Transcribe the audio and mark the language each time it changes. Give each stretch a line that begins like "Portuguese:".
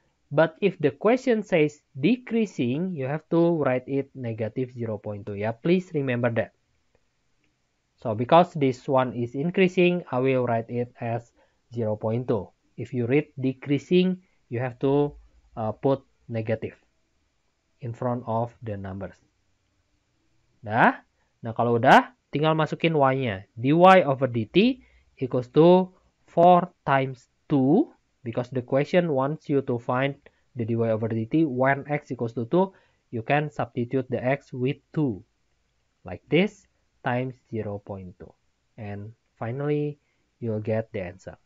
English: But if the question says decreasing, you have to write it negative 0.2. Yeah, please remember that. So because this one is increasing, I will write it as 0.2. If you read decreasing, you have to put negative in front of the numbers.
Indonesian: Dah? Nah, kalau udah, tinggal masukin y-nya.
English: Dy over dt equals to 4 times 2. Because the question wants you to find the dy over dt when x equals to 2. You can substitute the x with 2. Like this. Times 0.2. And finally, you'll get the answer.